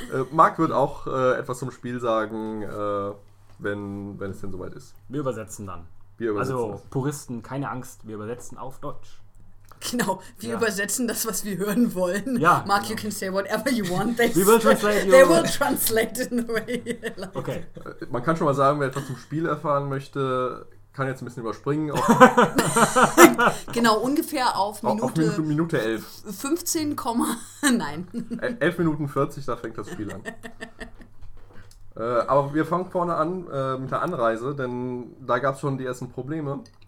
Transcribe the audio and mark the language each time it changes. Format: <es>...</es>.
<de>Marc wird auch etwas zum Spiel sagen, wenn es denn soweit ist. Wir übersetzen dann. Wir übersetzen also das. Puristen, keine Angst, wir übersetzen auf Deutsch. Genau, wir übersetzen das, was wir hören wollen. Ja, Marc, genau.</de> <en>You can say whatever you want. We will translate they will translate it in the way you like. Okay.</en> <de>Man kann schon mal sagen, wer etwas zum Spiel erfahren möchte, kann jetzt ein bisschen überspringen. Genau, ungefähr auf Minute... Auf Minute 11. 15, nein. 11 Minuten 40, da fängt das Spiel an. Aber wir fangen vorne an mit der Anreise, denn da gab es schon die ersten Probleme.</de>